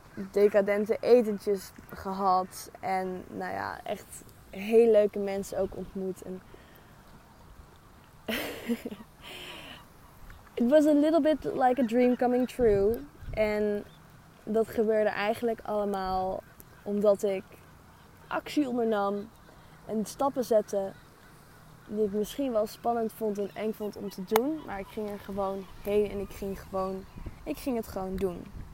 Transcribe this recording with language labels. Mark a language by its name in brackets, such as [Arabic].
[Dutch] Decadente etentjes gehad. En nou ja, echt heel leuke mensen ook ontmoet. En [English] it was a little bit like a dream coming true. [Dutch] En dat gebeurde eigenlijk allemaal omdat ik actie ondernam en stappen zette die ik misschien wel spannend vond en eng vond om te doen. Maar ik ging er gewoon heen en ik ging het gewoon doen.